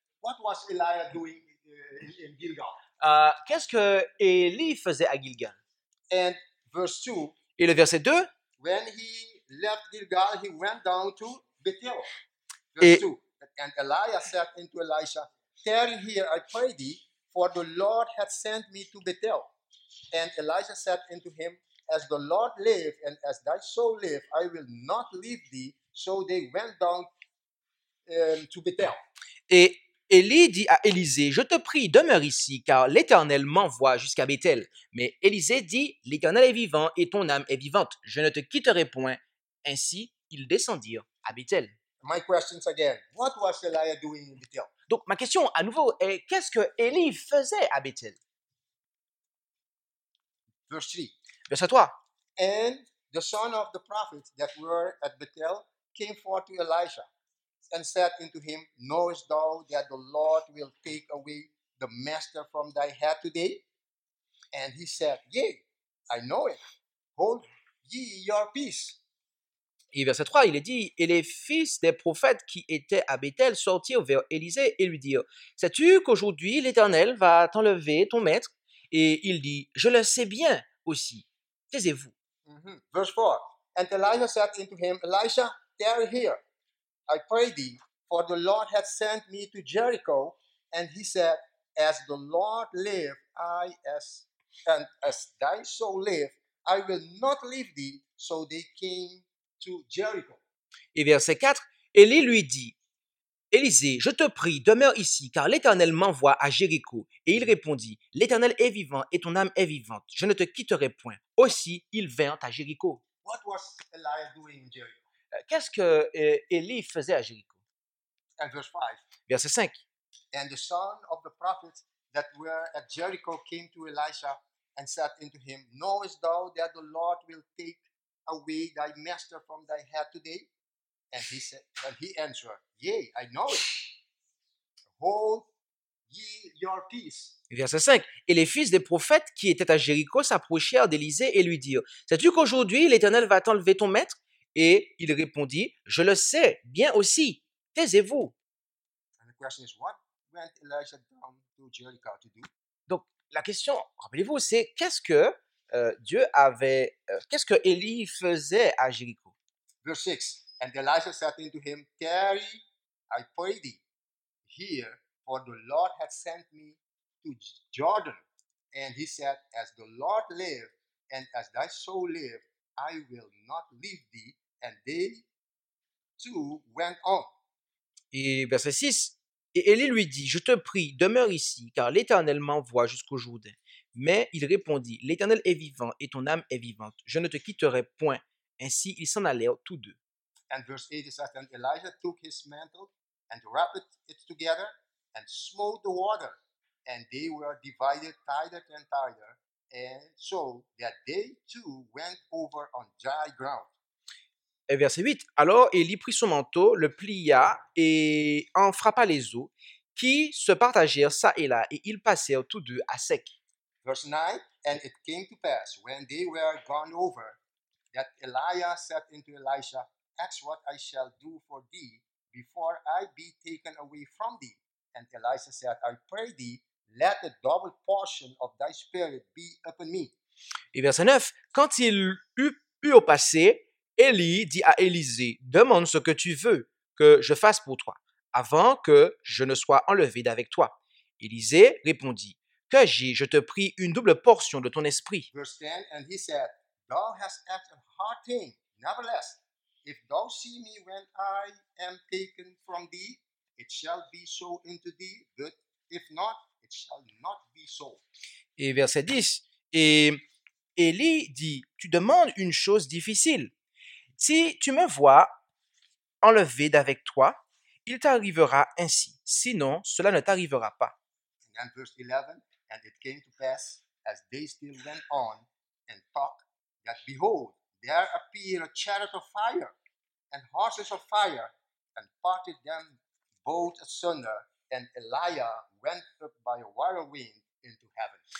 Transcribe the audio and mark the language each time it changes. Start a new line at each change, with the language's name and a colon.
English: What was Elijah doing in Gilgal?
French: Qu'est-ce que Élie faisait à Gilgal?
English: And verse 2.
French: Et le verset 2.
English: When he left Gilgal, he went down to Bethel. Verse 2. And Elijah said unto Elisha, tarry here, I pray thee, for the Lord hath sent me to Bethel. And Elijah said unto him, as the Lord live, and as thy soul live, I will not leave thee. So they went down to Bethel.
French: Et Élie dit à Élisée, je te prie, demeure ici, car l'Éternel m'envoie jusqu'à Bethel. Mais Élisée dit, l'Éternel est vivant, et ton âme est vivante. Je ne te quitterai point. Ainsi, ils descendirent. à Bethel.
English: My questions again. What was Elijah doing in Bethel?
French: Donc ma question à nouveau est qu'est-ce que Élie faisait à Bethel?
English: Verse 3.
French: Verset 3.
English: And the son of the prophet that were at Bethel came forth to Elijah and said unto him, Knowest thou that the Lord will take away the master from thy head today? And he said, Yea, I know it. Hold ye your peace.
French: Et verset 3, il est dit, et les fils des prophètes qui étaient à Bethel sortirent vers Élisée et lui dirent, sais-tu qu'aujourd'hui l'Éternel va t'enlever ton maître? Et il dit, je le sais bien aussi. Taisez-vous.
English: Mm-hmm. Verse 4. And Elijah said unto him, Elisha, tarry here, I pray thee, for the Lord hath sent me to Jericho. And he said, As the Lord live, as thy soul live, I will not leave thee. So they came.
French: Et verset 4, Élie lui dit, Élisée, je te prie, demeure ici, car l'Éternel m'envoie à Jéricho. Et il répondit, l'Éternel est vivant et ton âme est vivante, je ne te quitterai point. Aussi, ils vinrent à Jéricho.
English: What was Elijah doing in Jericho?
French: Qu'est-ce que Élie faisait à Jéricho?
English: And verse 5.
French: Verset 5.
English: And the son of the prophet that were at Jericho came to Elisha and said unto him, Knowest thou that the Lord will take away thy master from thy head today? And he said, and he answered, Yea, I know it. Hold ye your peace.
French: Verset 5. Et les fils des prophètes qui étaient à Jéricho s'approchèrent d'Élisée et lui dirent, sais-tu qu'aujourd'hui l'Éternel va t'enlever ton maître? Et il répondit, je le sais bien aussi. Taisez-vous.
English: And the question is, what went Elijah down to Jericho to do?
French: Donc, la question, rappelez-vous, c'est qu'est-ce que Dieu avait. Qu'est-ce que Élie faisait à Jéricho?
English: Verse 6. And Elijah said unto him, Tarry, I pray thee, here, for the Lord hath sent me to Jordan. And he said, As the Lord live, and as thy soul live, I will not leave thee. And they too went on.
French: Et verset 6. Et Élie lui dit, Je te prie, demeure ici, car l'Éternel m'envoie jusqu'au Jourdain. Mais il répondit, « L'Éternel est vivant et ton âme est vivante. Je ne te quitterai point. » Ainsi, ils s'en allèrent tous deux.
English: And verse 8, it says, And Elijah took his mantle and wrapped it together and smote the water. And they were divided tighter and tighter, and so that they too went over on dry ground.
French: Et verset 8, « Alors Élie prit son manteau, le plia et en frappa les eaux, qui se partagèrent ça et là, et ils passèrent tous deux à sec. »
English: Verse 9, and it came to pass when they were gone over that Elijah said unto Elisha, Ask what I shall do for thee before I be taken away from thee. And Elisha said, I pray thee, let the double portion of thy spirit be upon me.
French: Et verset 9, quand il eut au passé, Élie dit à Élisée, Demande ce que tu veux que je fasse pour toi avant que je ne sois enlevé d'avec toi. Élisée répondit, Que j'ai, je te prie, une double portion de ton esprit.
English: Verse 10, and he said, Thou hast asked a hard thing. Nevertheless, if thou see me when I am taken from thee, it shall be so unto thee, but if not, it shall not be so.
French: Et verset 10, et Élie dit, Tu demandes une chose difficile. Si tu me vois enlevé d'avec toi, il t'arrivera ainsi. Sinon, cela ne t'arrivera pas.
English: And then verse 11, And it came to pass, as they still went on and talked, that behold, there appeared a chariot of fire and horses of fire, and parted them both asunder, and Elijah went up by a whirlwind into heaven.